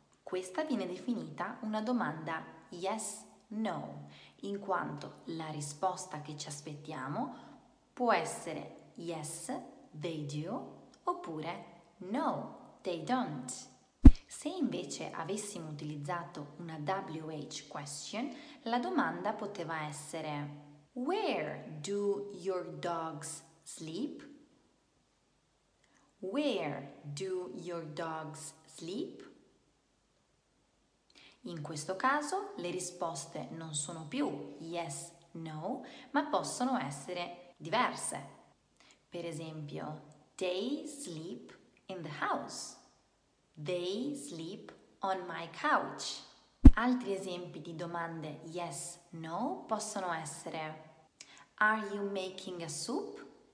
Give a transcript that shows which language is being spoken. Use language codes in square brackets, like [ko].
[it] Questa viene definita una domanda yes, no, in quanto la risposta che ci aspettiamo può essere [en] yes, they do, [it] oppure [en] no, they don't. [it] Se invece avessimo utilizzato una WH question, la domanda poteva essere [en] Where do your dogs sleep? Where do your dogs sleep? [it] In questo caso le risposte non sono più yes, no, ma possono essere diverse. Per esempio, [en] they sleep in the house. They sleep on my couch. [it] Altri esempi di domande yes, no possono essere [en] Are you making a soup?